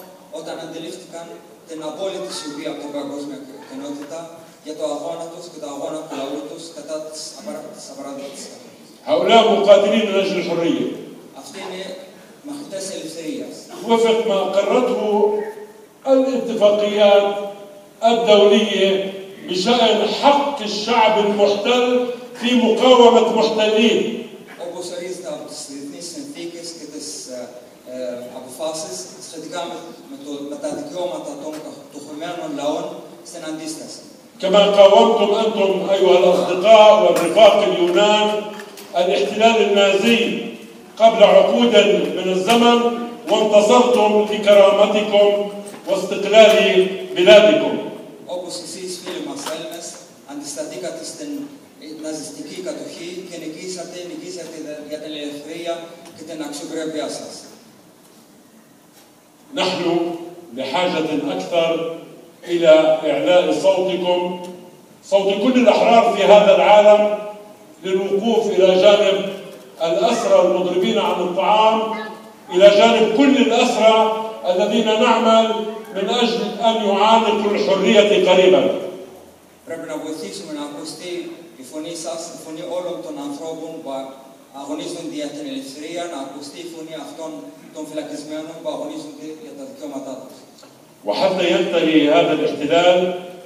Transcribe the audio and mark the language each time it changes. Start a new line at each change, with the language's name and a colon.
Greek: Όταν αντιλήφθηκαν την απόλυτη σιωπή από την παγκόσμια κοινότητα για το αγώνα τους και το αγώνα του λαού τους κατά της απαράδοτης κατάστασης. Αυτοί είναι μαχητές ελευθερίας.
Arabic: وفق ما قررته الاتفاقيات الدولية بشأن حق الشعب المحتل في مقاومة محتلين.
Greek: Όπως ορίζεται από τις διεθνείς συνθήκες και τις αποφάσεις σχετικά με τα δικαιώματα των κατοχωμένων λαών στην αντίσταση.
Arabic: كما قاومتم أنتم أيها الأصدقاء والرفاق اليونان الاحتلال النازي قبل عقود من الزمن وانتصرتم لكرامتكم واستقلال بلادكم.
Greek: Όπως εσείς φίλοι μας Έλληνες αντισταθήκατε στην ναζιστική κατοχή και νικήσατε για την ελευθερία και την αξιοπρέπειά σας.
Arabic: نحن بحاجة أكثر إلى إعلاء صوتكم صوت كل الأحرار في هذا العالم للوقوف إلى جانب الأسرى المضربين عن الطعام إلى جانب كل الأسرى الذين نعمل من أجل أن يعانقوا الحرية قريبا.
Greek: Πρέπει να βοηθήσουμε να ακουστεί η φωνή σας, η φωνή όλων των ανθρώπων που αγωνίζουν για την ελευθερία, να ακουστεί η φωνή αυτών των φυλακισμένων που αγωνίζονται για τα δικαιώματά τους.
Arabic: وحتى ينتهي هذا الاحتلال